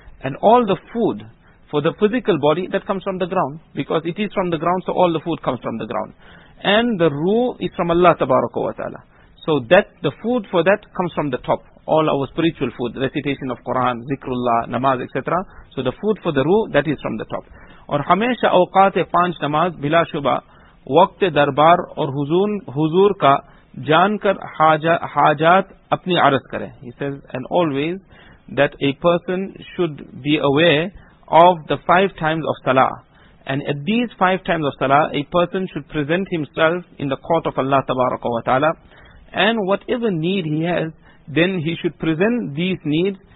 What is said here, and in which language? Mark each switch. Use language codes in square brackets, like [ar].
[en] And all the food for the physical body, that comes from the ground. Because it is from the ground, so all the food comes from the ground. And the ruh is from Allah tabaraka wa ta'ala. So that the food for that comes from the top. All our spiritual food, recitation of Quran, zikrullah, namaz, etc. So the food for the ruh, that is from the top. [ur] اور ہمیشہ اوقات پانچ نماز بلا شبہ وقت دربار اور حضور کا جان کر حاجات اپنی عرض کریں. [en] He says, and always that a person should be aware of the five times of salah. And at these five times of salah, a person should present himself in the court of Allah tabaraka wa ta'ala. And whatever need he has, then he should present these needs